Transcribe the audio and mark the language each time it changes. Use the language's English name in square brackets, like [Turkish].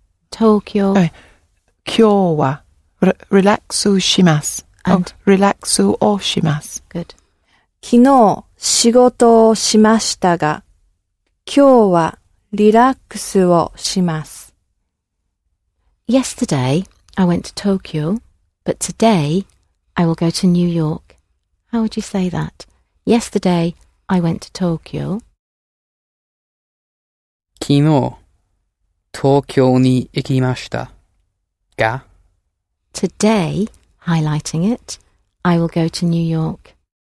[Japanese] Tokyo. Kyōwa. Relaxu shimasu. [English] And? [Japanese] Relaxu o shimasu. [English] Good. [Japanese] 昨日仕事をしましたが, 今日はリラックスをします. [English] Yesterday, I went to Tokyo, but today, I will go to New York. How would you say that? Yesterday, I went to Tokyo. [Japanese] 昨日東京に行きましたが? [English] Today, highlighting it, I will go to New York.